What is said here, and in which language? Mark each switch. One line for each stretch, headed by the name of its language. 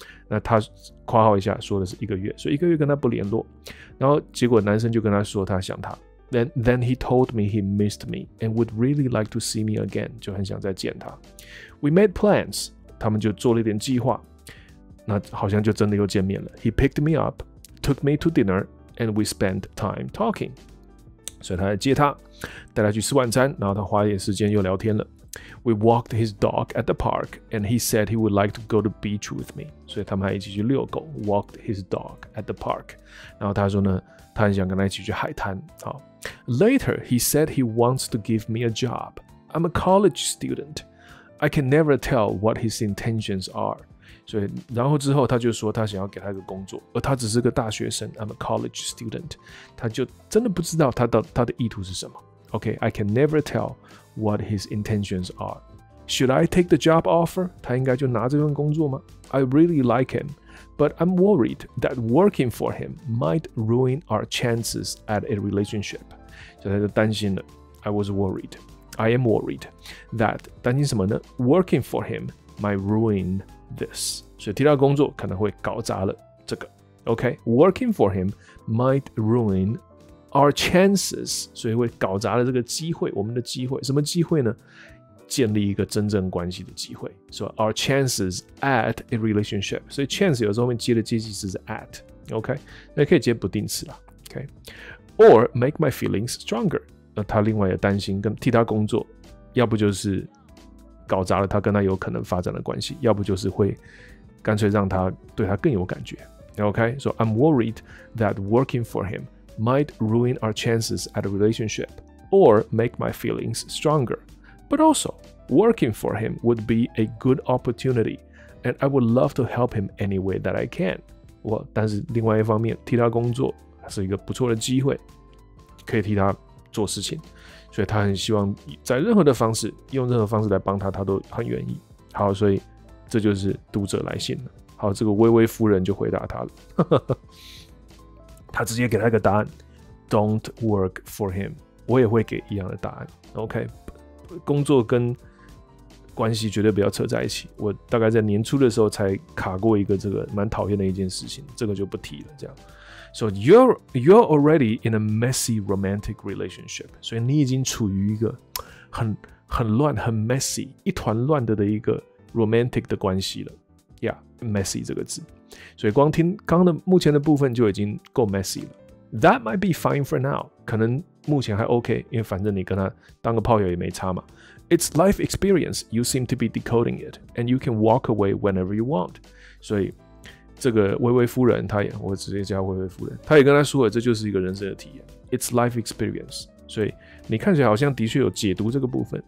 Chinese: 那他括号一下说的是一个月，所以一个月跟他不联络，然后结果男生就跟他说他想他。
English: Then he told me he missed me and would really like to see me again，
Chinese: 就很想再见他。
English: We made plans，
Chinese: 他们就做了一点计划，那好像就真的又见面了。
English: He picked me up, took me to dinner and we spend time talking.
Chinese: 所以他来接他，带他去吃晚餐，然后他花一点时间又聊天了。
English: We walked his dog at the park, and he said he would like to go to the beach with me.
Chinese: 所以他们还一起去遛狗 ,
English: walked his dog at the park.
Chinese: 然后他说呢，他很想跟他一起去海滩。
English: 好 Later, he said he wants to give me a job. I'm a college student. I can never tell what his intentions are.
Chinese: 所以然后之后他就说他想要给他一个工作，而他只是个大学生 ,
English: I'm a college student.
Chinese: 他就真的不知道他的意图是什么。
English: Okay, I can never tell what his intentions are. Should I take the job offer?
Chinese: 他应该就拿这份工作吗?
English: I really like him, but I'm worried that working for him might ruin our chances at a relationship.
Chinese: 所以他就担心了。
English: I was worried. I am worried that
Chinese: 担心什么呢?
English: Working for him might ruin this.
Chinese: 所以提到工作可能会搞砸了这个。
English: Okay, working for him might ruin this. Our chances,
Chinese: 所以会搞砸了这个机会，我们的机会，什么机会呢？建立一个真正关系的机会。
English: So our chances at a relationship.
Chinese: 所以 chance 有时候后面接的接系词是 at, OK? 那可以接不定词啦
English: OK? Or make my feelings stronger.
Chinese: 那他另外也担心跟替他工作，要不就是搞砸了他跟他有可能发展的关系，要不就是会干脆让他对他更有感觉。
English: OK? So I'm worried that working for him,might ruin our chances at a relationship or make my feelings stronger. But also, working for him would be a good opportunity and I would love to help him any way that I can. Well,
Chinese: 但是另外一方面，替他工作是一个不错的机会，可以替他做事情。所以他很希望在任何的方式，用任何方式来帮他，他都很愿意。好，所以这就是读者来信了。好，这个微微夫人就回答他了。他直接给他一个答案 ，
English: Don't work for him。
Chinese: 我也会给一样的答案 ，OK。工作跟关系绝对不要扯在一起。我大概在年初的时候才卡过一个这个蛮讨厌的一件事情，这个就不提了。这样
English: ，So you're already in a messy romantic relationship。
Chinese: 所以你已经处于一个很乱、很 messy、一团乱的一个 romantic 的关系了。Yeah，messy 这个字。所以光听刚刚的目前的部分就已经够 messy 了。
English: That might be fine for now.
Chinese: 可能目前还 OK, 因为反正你跟他当个炮友也没差嘛。
English: It's life experience. You seem to be decoding it. And you can walk away whenever you want.
Chinese: 所以这个微微夫人她也我直接叫微微夫人她也跟他说了这就是一个人生的体验。
English: It's life experience.
Chinese: 所以你看起来好像的确有解读这个部分。